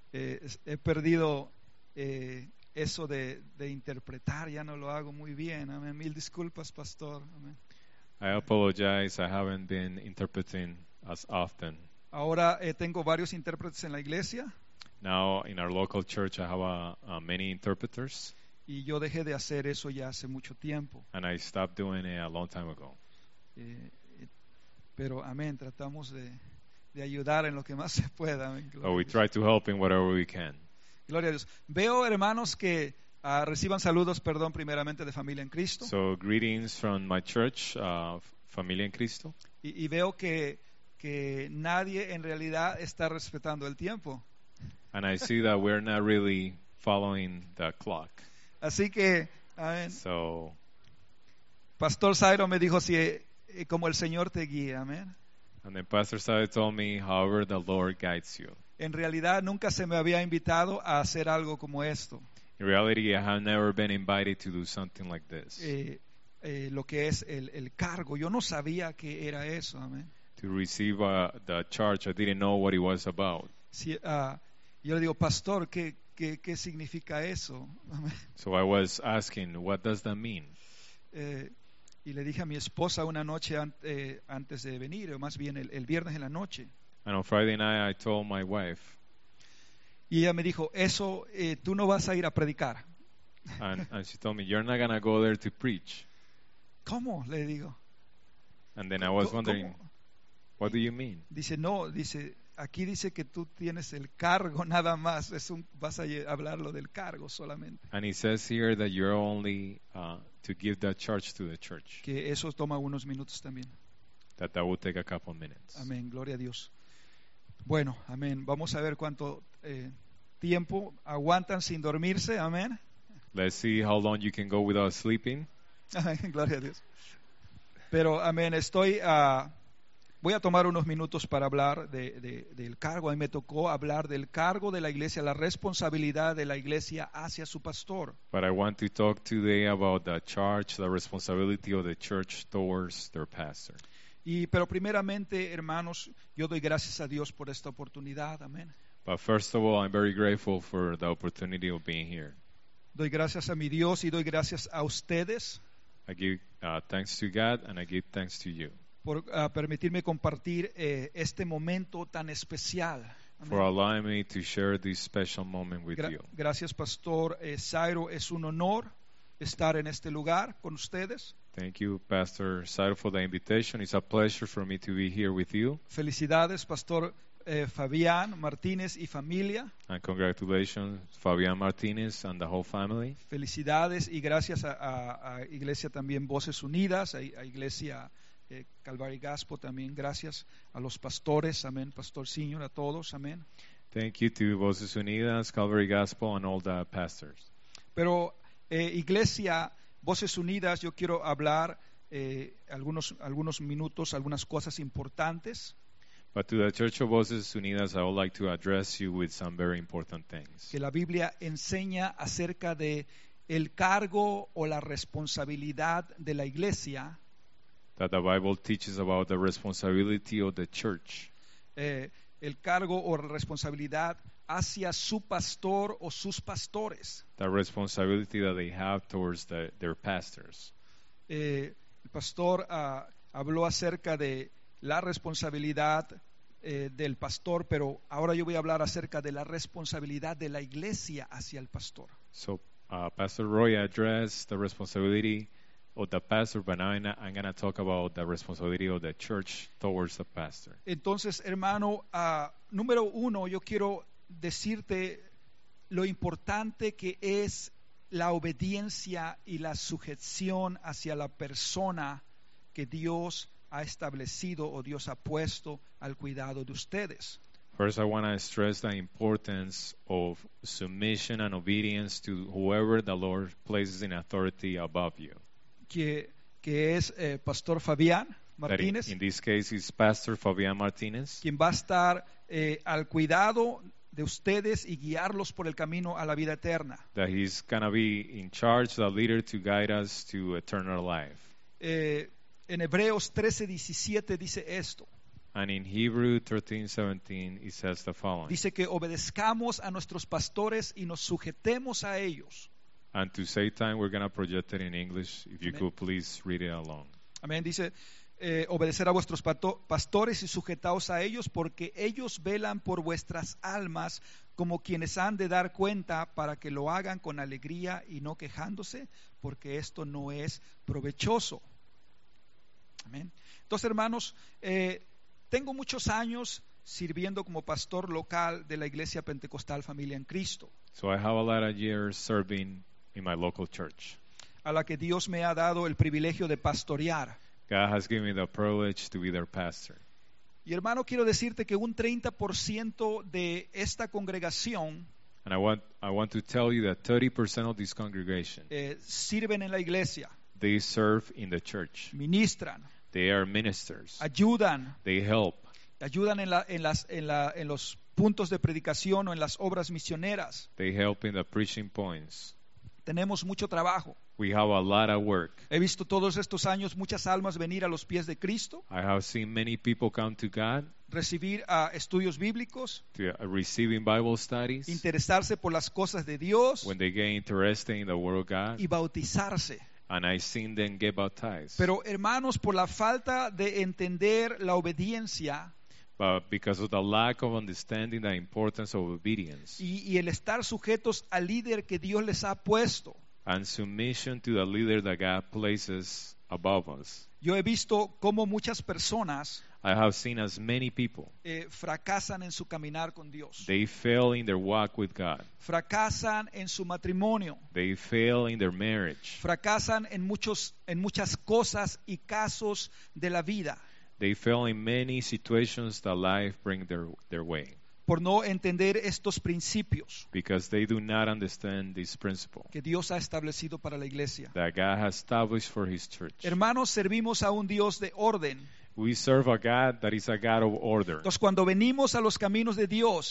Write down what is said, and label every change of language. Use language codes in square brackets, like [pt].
[es] He perdido eso de interpretar. Ya no lo hago muy bien. Amen. Mil disculpas, pastor. Amen. [en] I apologize. I haven't been interpreting as often. [es] Ahora tengo varios intérpretes en la iglesia. [en] Now, in our local church, I have many interpreters. [es] Y yo dejé de hacer eso ya hace mucho tiempo. [en] And I stopped doing it a long time ago. [es] Pero amén, tratamos de ayudar en lo que más se pueda. [en] Amen. Oh, we try to help in whatever we can. [es] Gloria a Dios. Veo hermanos que reciban saludos, perdón, primeramente de Familia en Cristo. [en] So greetings from my church, Familia en Cristo. [es] Y veo que nadie en realidad está respetando el tiempo. [en] And I see that we're not really following the clock. [es] Así que, amén. [en] So [es] Pastor Zairo me dijo si como el Señor te guía, amén. [en] And the pastor started telling me, however the Lord guides you. [es] En realidad, nunca se me había invitado a hacer algo como esto. [en] In reality, I have never been invited to do something like this. [es] Lo que es el cargo, yo no sabía que era eso, amén. [en] To receive the charge, I didn't know what it was about. [es] Si, yo le digo, pastor, ¿qué significa eso? [en] So I was asking, what does that mean? [es] Y le dije a mi esposa una noche antes de venir, o más bien el viernes en la noche. [en] And on Friday night I told my wife. [es] Y ella me dijo, eso tú no vas a ir a predicar. [en] And she told me, you're not gonna go there to preach. [es] ¿Cómo? Le digo. [en] And then I was wondering, [es] ¿cómo? [en] What do you mean? [es] Dice, no, dice, aquí dice que tú tienes el cargo nada más, vas a hablar lo del cargo solamente. [en] And it says here that you're only to give that charge to the church. [es] Que eso toma unos minutos también. [en] That will take a couple of minutes. [es] Amén, gloria a Dios. Bueno, amén, vamos a ver cuánto tiempo aguantan sin dormirse, amén. [en] Let's see how long you can go without sleeping. [es] Amén, gloria a Dios. Pero, amén, estoy a... Voy a tomar unos minutos para hablar del cargo. A mí me tocó hablar del cargo de la iglesia, la responsabilidad de la iglesia hacia su pastor. [en] But I want to talk today about the charge, the responsibility of the church towards their pastor. [es] Pero primeramente, hermanos, yo doy gracias a Dios por esta oportunidad. Amén. [en] But first of all, I'm very grateful for the opportunity of being here. [es] Doy gracias a mi Dios y doy gracias a ustedes. [en] I give thanks to God and I give thanks to you. [es] Por permitirme compartir este momento tan especial. [en] For allowing me to share this special moment with you. [es] Gracias, Pastor Cyro. Es un honor estar en este lugar con ustedes. [en] Thank you, Pastor Cyro, for the invitation. It's a pleasure for me to be here with you. [es] Felicidades, Pastor Fabián Martínez y familia. [en] And congratulations, Fabián Martínez and the whole family. [es] Felicidades y gracias a Iglesia también Voces Unidas, a Iglesia Calvary Gospel también, gracias a los pastores, amén, Pastor Senior, a todos, amén. [en] Thank you to Voces Unidas, Calvary Gospel, and all the pastors. [es] Pero, Iglesia, Voces Unidas, yo quiero hablar algunos minutos, algunas cosas importantes. [en] But to the Church of Voces Unidas, I would like to address you with some very important things. [es] Que la Biblia enseña acerca de el cargo o la responsabilidad de la Iglesia. [en] That the Bible teaches about the responsibility of the church. [es] El cargo o responsabilidad hacia su pastor o sus pastores. [en] The responsibility that they have towards their pastors. [es] El pastor habló acerca de la responsabilidad del pastor, pero ahora yo voy a hablar acerca de la responsabilidad de la iglesia hacia el pastor. [en] So, Pastor Roy addressed the responsibility of the pastor, but now I'm going to talk about the responsibility of the church towards the pastor. [es] Entonces, hermano, número uno, yo quiero decirte lo importante que es la obediencia y la sujeción hacia la persona que Dios ha establecido o Dios ha puesto al cuidado de ustedes. [en] First, I want to stress the importance of submission and obedience to whoever the Lord places in authority above you. [es] Que es Pastor Fabián Martínez. [en] In this case, it's Pastor Fabián Martínez. [es] Quien va a estar al cuidado de ustedes y guiarlos por el camino a la vida eterna. [en] That he's going to be in charge, the leader to guide us to eternal life. [es] En Hebreos 13:17 dice esto. [en] And in Hebrews 13:17 it says the following. [es] Dice que obedezcamos a nuestros pastores y nos sujetemos a ellos. [en] And to save time, we're going to project it in English. If you could please read it along. [es] Amén. Dice, obedecer a vuestros pastores y sujetaos a ellos, porque ellos velan por vuestras almas como quienes han de dar cuenta, para que lo hagan con alegría y no quejándose, porque esto no es provechoso. Amén. Entonces, hermanos, tengo muchos años sirviendo como pastor local de la Iglesia Pentecostal Familia en Cristo. [en] So I have a lot of years serving in my local church. [es] A la que Dios me ha dado el privilegio de pastorear. [en] God has given me the privilege to be their pastor. [es] Y hermano, quiero decirte que un 30% de esta congregación, [en] and I want to tell you that 30% of this congregation [es] sirven en la iglesia. [en] They serve in the church. [es] Ministran. [en] They are ministers. [es] Ayudan. [en] They help. [es] Ayudan en los puntos de predicación o en las obras misioneras. [en] They help in the preaching points. [es] Tenemos mucho trabajo. [en] We have a lot of work. [es] He visto todos estos años muchas almas venir a los pies de Cristo. [en] I have seen many people come to God. [es] Recibir estudios bíblicos. [en] Receiving Bible studies. [es] Interesarse por las cosas de Dios. [en] When they get interested in the word of God. [es] Y bautizarse. [en] And I've seen them get baptized. [es] Pero hermanos, por la falta de entender la obediencia. [en] But because of the lack of understanding the importance of obedience. [es] Y el estar sujetos al líder que Dios les ha puesto. [en] And submission to the leader that God places above us. [es] Yo he visto cómo muchas personas. [en] I have seen as many people. [es] Fracasan en su caminar con Dios. [en] They fail in their walk with God. [es] Fracasan en su matrimonio. [en] They fail in their marriage. [es] Fracasan en muchas cosas y casos de la vida. [en] They fail in many situations that life brings their way. [es] Por no entender estos principios. [en] Because they do not understand this principle. [es] Que Dios ha establecido para la iglesia. [en] That God has established for his church. [es] Hermanos, servimos a un Dios de orden. [en] We serve a God that is a God of order. [es] Entonces, cuando venimos a los caminos de Dios,